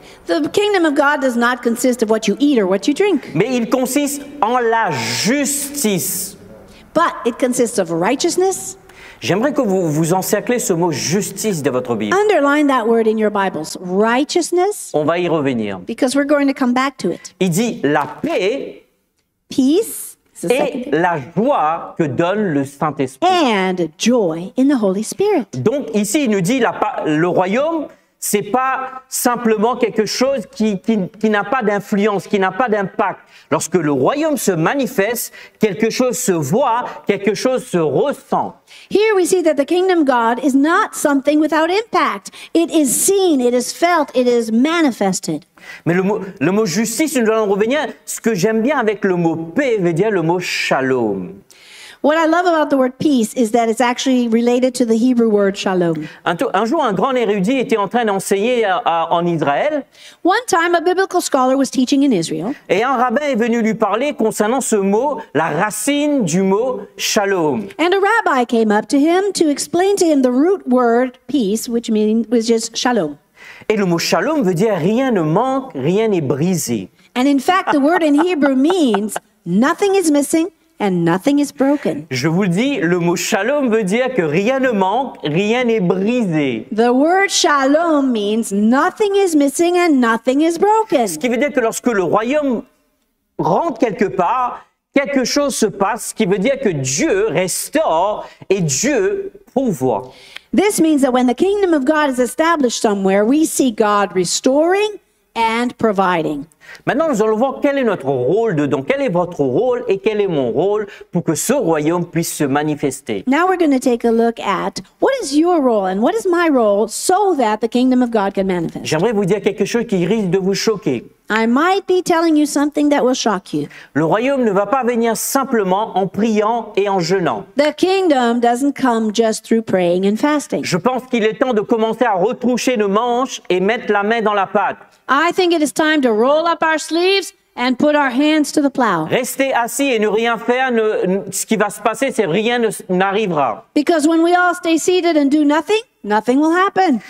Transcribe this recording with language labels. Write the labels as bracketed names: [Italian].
[English] The kingdom of God does not consist of what you eat or what you drink. [French] Mais il consiste en la justice. [English] But it consists of righteousness. [French] J'aimerais que vous vous encerclez ce mot justice de votre Bible. [English] Underline that word in your Bibles. Righteousness. [French] On va y revenir. [English] Because we're going to come back to it. [French] Il dit la paix. [English] Peace. [French] Et la joie que donne le Saint-Esprit. [English] And joy in the Holy Spirit. [French] Donc ici, il nous dit le royaume. C'est pas simplement quelque chose qui n'a pas d'influence, qui n'a pas d'impact. Lorsque le royaume se manifeste, quelque chose se voit, quelque chose se ressent. [English] Here we see that the kingdom of God is not something without impact. It is seen, it is felt, it is manifested. [French] Mais le mot justice, nous allons revenir. Ce que j'aime bien avec le mot paix veut dire le mot shalom. [English] What I love about the word peace is that it's actually related to the Hebrew word shalom. [French] Un jour, un grand érudit était en train d'enseigner en Israël. [English] One time, a biblical scholar was teaching in Israel. [French] Et un rabbin est venu lui parler concernant ce mot, la racine du mot shalom. [English] And a rabbi came up to him to explain to him the root word peace, which means was just shalom. [French] Et le mot shalom veut dire rien ne manque, rien n'est brisé. [English] And in fact, the word in Hebrew means nothing is missing. And nothing is broken. [French] Je vous le dis, le mot shalom veut dire que rien ne manque, rien n'est brisé. [English] The word shalom means nothing is missing and nothing is broken. [French] Ce qui veut dire que lorsque le royaume rentre quelque part, quelque chose se passe, ce qui veut dire que Dieu restaure et Dieu pourvoit. [English] This means that when the kingdom of God is established somewhere, we see God restoring and providing. [French] Maintenant, nous allons voir quel est notre rôle dedans, quel est votre rôle et quel est mon rôle pour que ce royaume puisse se manifester. [English] Now we're going to take a look at what is your role and what is my role so that the kingdom of God can manifest. [French] J'aimerais vous dire quelque chose qui risque de vous choquer. [English] I might be telling you something that will shock you. [French] Le royaume ne va pas venir simplement en priant et en jeûnant. [English] The kingdom doesn't come just through praying and fasting. [French] Je pense qu'il est temps de commencer à retroucher nos manches et mettre la main dans la pâte. [English] I think it is time to roll up our sleeves And put our hands to the plow. [French] Rester assis et ne rien faire, ce qui va se passer, c'est rien n'arrivera. [English] Because when we all stay seated and do nothing, nothing will happen.